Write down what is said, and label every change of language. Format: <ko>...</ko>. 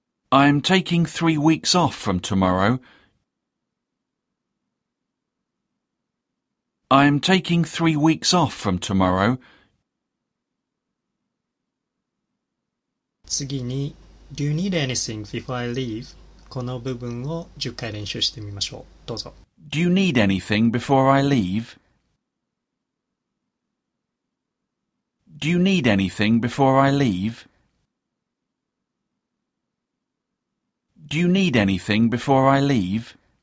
<en>I'm taking 3 weeks off from tomorrow. I'm taking 3 weeks off from tomorrow.</en> <ja>次に、</ja> <en>Do you need anything before I leave?</en> <ja>この部分を10回練習してみましょう。どうぞ。</ja> <en>Do you need anything before I leave? Do you need anything before I leave? Do you need anything before I leave?</en>